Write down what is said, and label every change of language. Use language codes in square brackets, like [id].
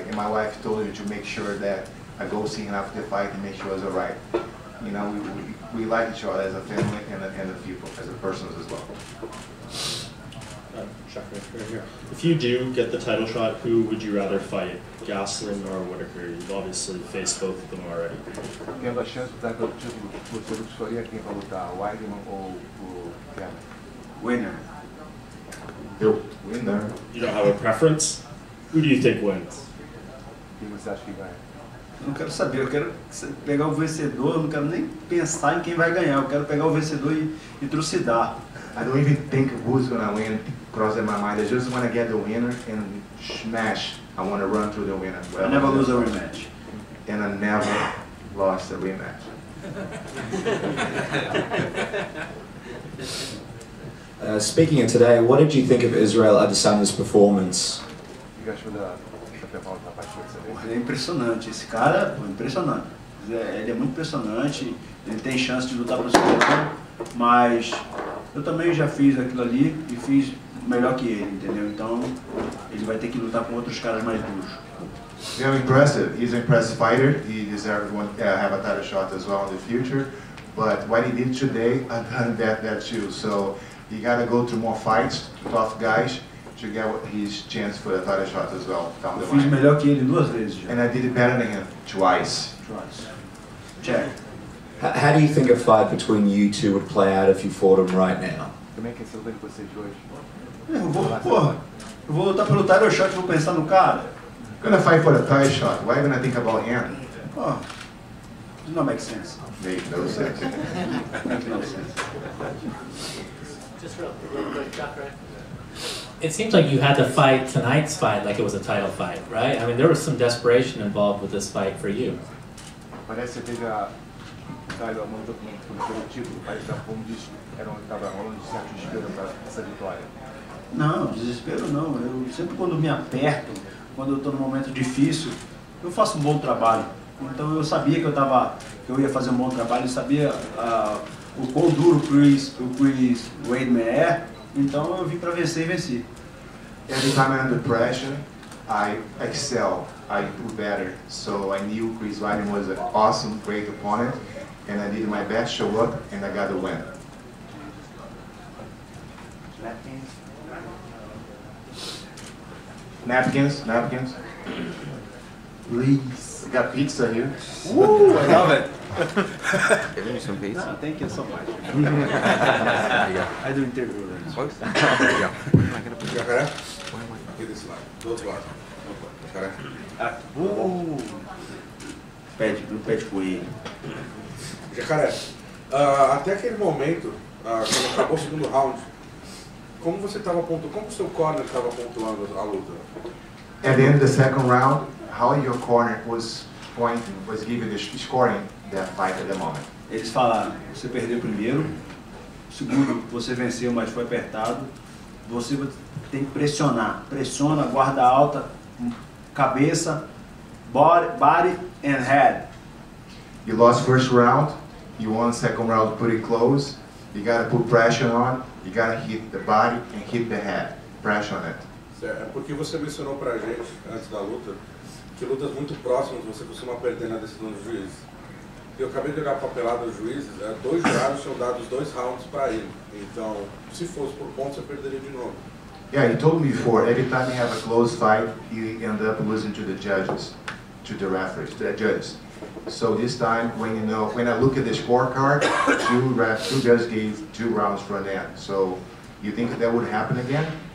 [en] And my wife told me to make sure that I go see him after the fight and make sure he was alright. You know, we like each other as a family and a people, as a person as well. Right here. If you do get the title shot, who would you rather fight, Gastelum or Whitaker? You've obviously faced both of them already. [pt] Tendo a chance de dar o título, você escolheria quem vai lutar, Weidman ou o Gastelum? [en] Winner. Winner. You don't have a preference? Who do you think wins? [pt] Quem você acha que vai? Eu não quero saber, eu quero pegar o vencedor, eu não quero nem pensar em quem vai ganhar, eu quero pegar o vencedor e trucidar. [en] I don't even think who's gonna win, crossing my mind. I just wanna get the winner and smash. I wanna run through the winner. Well, I never lose a rematch. And I never lost a rematch. Speaking of today, what did you think of Israel Adesanya's performance? You guys should have a passion. [pt] É impressionante. Esse cara é impressionante. Ele é muito impressionante. Ele tem chance de lutar para o cinturão, mas. Eu também já fiz aquilo ali e fiz melhor que ele, entendeu? Então, ele vai ter que lutar com outros caras mais duros. [en] Yeah, impressive. He's an impressive fighter. He deserves one, have a title shot as well in the future. But what he did today, I've done that too. So, he got to go through more fights, tough guys, to get his chance for a title shot as well. Down the line. [pt] Fiz melhor que ele duas vezes já. [en] And I did it better than him twice. Check. How do you think a fight between you two would play out if you fought him right now? [pt] Como é que você vai fazer hoje? Eu vou lutar pelo title shot e vou pensar no cara. [en] I'm gonna fight for the title shot. Why am I gonna think about him? Oh, does not make sense. Make no sense. Make no sense. Just real quick, it seems like you had to fight tonight's fight like it was a title fight, right? I mean, there was some desperation involved with this fight for you. [pt] Parece que teve a saiu a mão do título, parece que como diz, era onde estava rolando um certo desespero para essa vitória. Não, desespero não. Eu sempre quando me aperto, quando eu estou num momento difícil, eu faço um bom trabalho. Então eu sabia que eu ia fazer um bom trabalho, eu sabia o quão duro o Chris Weidman é, então eu vim para vencer e venci. [en] Every time I'm under pressure, I excel, I do better. So I knew Chris Weidman was an awesome, great opponent. And I did my best, show up, and I got the win. Napkins. Please. We got pizza here. Woo, I love it. Give me some pizza. No, thank you so much. I do interview with him. Close? There you go. You got it? Why am I? Give this one. Go to one. Okay. [pt] Woo. Pede, não pede com ele. Jacaré, até aquele momento, quando acabou o segundo round, como você estava pontuando, como o seu corner estava pontuando a luta? [en] At the end of the second round, how your corner was pointing, was giving the scoring that fight at the moment? [pt] Eles falaram, você perdeu o primeiro, segundo, você venceu, mas foi apertado, você tem que pressionar, pressiona, guarda alta, cabeça, [en] body and head. You lost first round, you won second round pretty close, you gotta put pressure on, you gotta hit the body and hit the head, pressure on it. [pt] Certo, é porque você mencionou pra gente, antes da luta, que lutas muito próximas você costuma perder na decisão do juiz. Eu acabei de olhar a papelada do juiz, dois jurados tinham dado os dois rounds pra ele, então se fosse por pontos você perderia de novo. [en] Yeah, he told me before, every time you have a close fight, you end up losing to the referees. So this time, when you know, when I look at the scorecard, two guys gave two rounds for an end. So you think that would happen again?